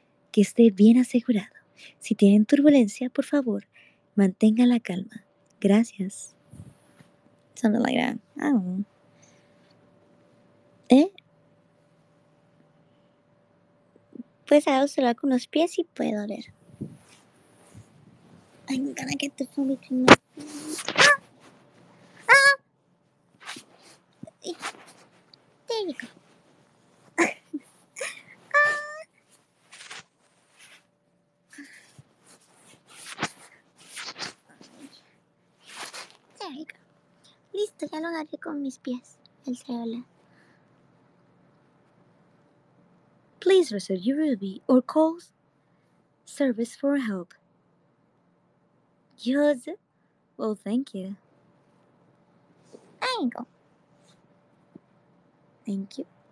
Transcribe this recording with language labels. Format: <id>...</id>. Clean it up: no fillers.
<es>Que esté bien asegurado. Si tienen turbulencia, por favor, mantenga la calma. Gracias.</es> <en>Something like that. I don't know. ¿Eh?</en> <es>Pues hago solo con los pies y puedo ver.</es> <en>I'm gonna get the phone between my feet. Ah! Ah! There you go.</en> <es>Listo, ya lo agarré con mis pies, el celular.</es> <en>Please reserve your Ruby or call service for help. Yours? Well, thank you. There you go. Thank you.</en>